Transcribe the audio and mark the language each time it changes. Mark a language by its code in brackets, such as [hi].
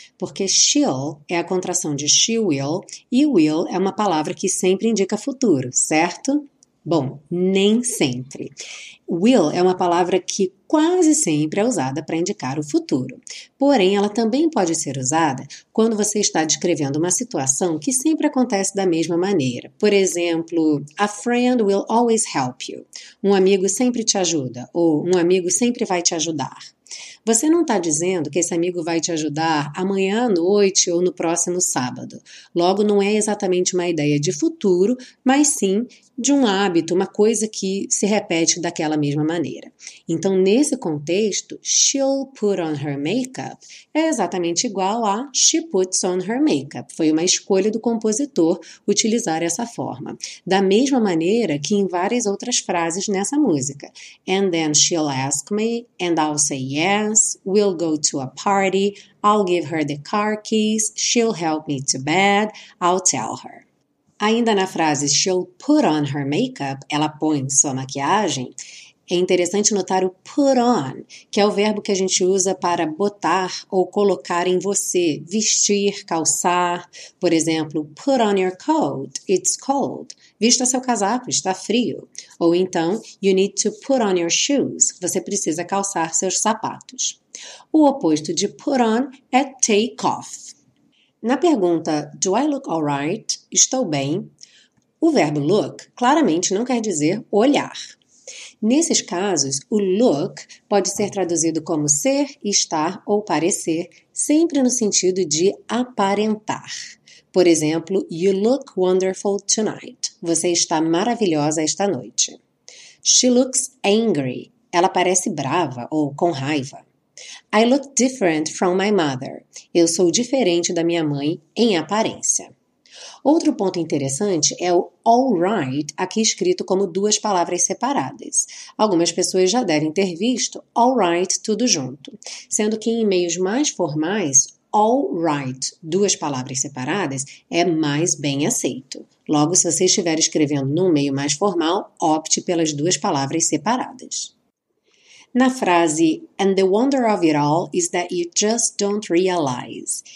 [pt] Porque she'll é a contração de she will e will é uma palavra que sempre indica futuro, certo? Bom, nem sempre. Will é uma palavra que quase sempre é usada para indicar o futuro. Porém, ela também pode ser usada quando você está descrevendo uma situação que sempre acontece da mesma maneira. Por exemplo, [en] a friend will always help you. [pt] Um amigo sempre te ajuda, ou um amigo sempre vai te ajudar. Você não está dizendo que esse amigo vai te ajudar amanhã à noite ou no próximo sábado. Logo, não é exatamente uma ideia de futuro, mas sim de um hábito, uma coisa que se repete daquela mesma maneira. Então, nesse contexto, [en] she'll put on her makeup [pt] é exatamente igual a [en] she puts on her makeup. [pt] Foi uma escolha do compositor utilizar essa forma. Da mesma maneira que em várias outras frases nessa música. [en] And then she'll ask me, and I'll say yes, we'll go to a party, I'll give her the car keys, she'll help me to bed, I'll tell her. [pt] Ainda na frase [en] she'll put on her makeup, [pt] ela põe sua maquiagem, é interessante notar o put on, que é o verbo que a gente usa para botar ou colocar em você, vestir, calçar. Por exemplo, [en] put on your coat, it's cold. [pt] Vista seu casaco, está frio. Ou então, [en] you need to put on your shoes, [pt] você precisa calçar seus sapatos. O oposto de put on é take off. Na pergunta, [en] do I look alright? [pt] Estou bem. O verbo look claramente não quer dizer olhar. Nesses casos, o look pode ser traduzido como ser, estar ou parecer, sempre no sentido de aparentar. Por exemplo, [en] you look wonderful tonight. [pt] Você está maravilhosa esta noite. [en] She looks angry. [pt] Ela parece brava ou com raiva. [en] I look different from my mother. [pt] Eu sou diferente da minha mãe em aparência. Outro ponto interessante é o all right aqui escrito como duas palavras separadas. Algumas pessoas já devem ter visto all right tudo junto, sendo que em meios mais formais, all right, duas palavras separadas, é mais bem aceito. Logo, se você estiver escrevendo num meio mais formal, opte pelas duas palavras separadas. Na frase, [en] and the wonder of it all is that you just don't realize.